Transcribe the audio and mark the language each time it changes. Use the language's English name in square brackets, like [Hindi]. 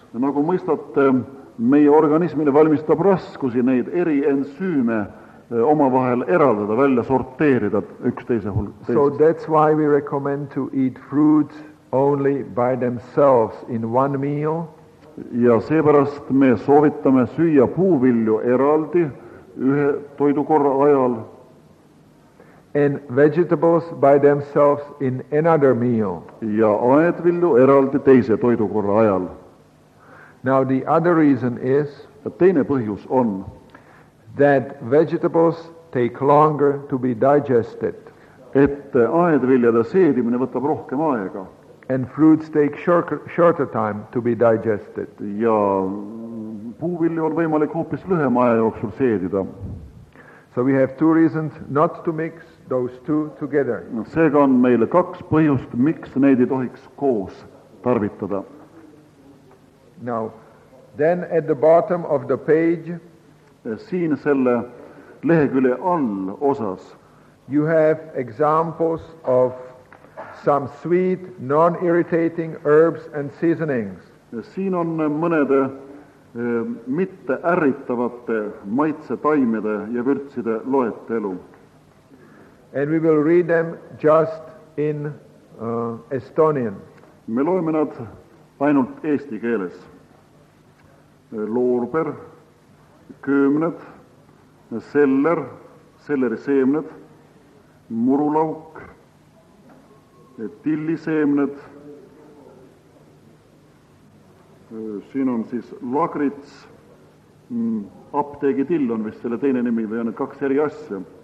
[Estonian] Nagu mõistate, meie organismile valmistab raskusi neid eri ensüüme oma vahel eraldada, välja sorteerida üksteise hulk. [English] So that's why we recommend to eat fruits only by themselves in one meal. [Estonian] Ja seepärast me soovitame süüa puuvilju eraldi ühe toidukorra ajal. [English] And vegetables by themselves in another meal. [Estonian] Ja aedvilju eraldi teise toidukorra ajal. [English] Now the other reason is [Estonian] teine põhjus on, [English] that vegetables take longer to be digested. [Estonian] Et aedviljade seedimine võtab rohkem aega. [English] And fruits take shorter time to be digested. [Estonian] Ja puuvilju on võimalik hoopis lühem aja jooksul seedida. [English] So we have two reasons not to mix those two together. [Estonian] Seega on meile kaks põhjust, miks neid ei tohiks koos tarvitada. [English] Now, then at the bottom of the page, [Estonian] siin selle lehekülje all osas, [English] you have examples of some sweet, non-irritating herbs and seasonings. [Estonian] Siin on mõned mitte ärritavate maitse taimede ja vürtside loetelu. [English] And we will read them just in Estonian. [Estonian] Me loeme nad ainult eesti keeles. Loorber, köömned, seller, selleri seemned, murulauk, tilli seemned, siin on siis lagrits, apteegi till on vist selle teine nimi või on kaks eri asja.